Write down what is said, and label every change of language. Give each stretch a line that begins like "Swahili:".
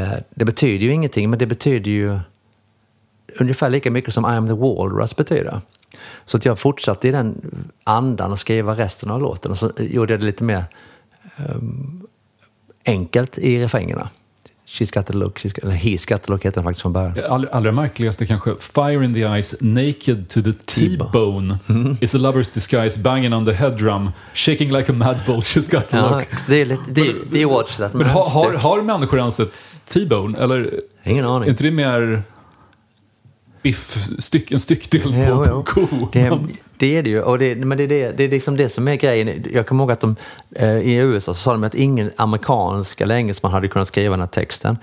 Swedish: Det betyder ju ingenting, men det betyder ju ungefär lika mycket som I am the walrus betyder. Så att jag fortsatte i den andan att skriva resten av låten. Och så gjorde jag det lite mer enkelt i refrängerna.
English: She's got the look,
Swedish: he's got the look heter faktiskt från början. Allra märkligaste kanske,
English: fire in the eyes, naked to the T-bone. Is a lover's disguise, banging on the head drum, shaking like a mad bull, she's got the look.
Swedish: Det är
English: watch that.
Swedish: Men har människor ens ett T-bone? Eller, ingen aning. Är inte det mer... en styckdel på ko. Det är det ju. Och det är liksom det som är grejen. Jag kommer ihåg att de i USA så sa de att ingen amerikansk eller engelsman hade kunnat skriva den här texten.